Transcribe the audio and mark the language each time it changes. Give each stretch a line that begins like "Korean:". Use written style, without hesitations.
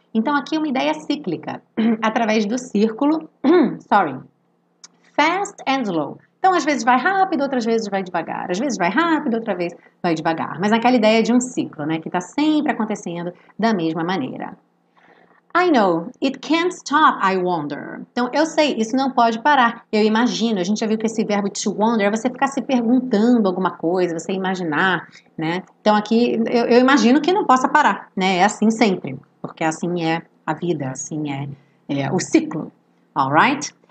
Portuguese: Então, aqui é uma ideia cíclica, através do círculo,
English: sorry, fast and slow.
Portuguese: Então, às vezes vai rápido, outras vezes vai devagar. Às vezes vai rápido, outra vez vai devagar. Mas aquela ideia de um ciclo, né, que está sempre acontecendo da mesma maneira.
English: I know, it can't stop, I wonder.
Portuguese: Então, eu sei, isso não pode parar. Eu imagino, a gente já viu que esse verbo to wonder é você ficar se perguntando alguma coisa, você imaginar, né? Então, aqui, eu imagino que não possa parar, né? É assim sempre, porque assim é a vida, assim é o ciclo, alright?